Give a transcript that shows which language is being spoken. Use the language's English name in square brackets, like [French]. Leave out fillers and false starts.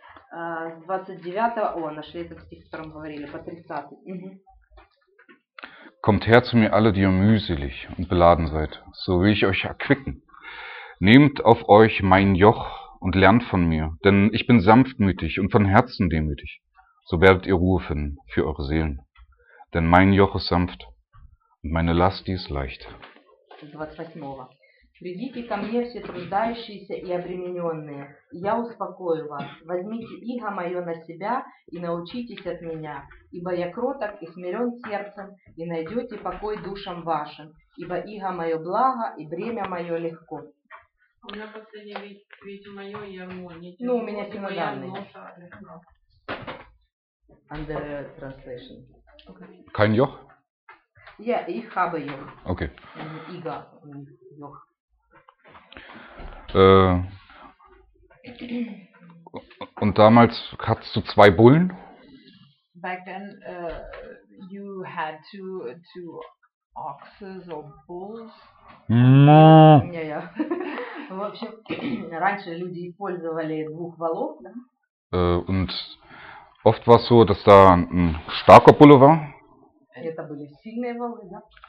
[Russian] 29-го, нашли этот стих, о котором говорили, по 30-й. [German] Kommt her zu mir alle, die ihr mühselig und beladen seid, so will ich euch erquicken. Nehmt auf euch mein Joch und lernt von mir, denn ich bin sanftmütig und von Herzen demütig. So werdet ihr Ruhe finden für eure Seelen. Denn mein Joch ist sanft und meine Last, die ist leicht. [Russian] 28-го. Придите ко мне все труждающиеся и обремененные, и я успокою вас. Возьмите иго мое на себя и научитесь от меня, ибо я кроток и смирен сердцем, и найдете покой душам вашим, ибо иго мое благо и бремя мое легко. У меня последнее, ведь мое ярмо, не тяжело. Ну, у меня синодальный. [English] Under translation. [German] Kein Joch? Я их habe Joch. [English] Okay. [Russian] Иго у них Joch. [German] Und damals hattest du zwei Bullen? [English] Back then you had two oxes or bulls. No. [German] Ja, ja. [Russian] В общем, раньше люди использовали двух волов, да? [German] Und oft war es so, dass da ein starker Bulle war. [Russian] Это были сильные волы, да?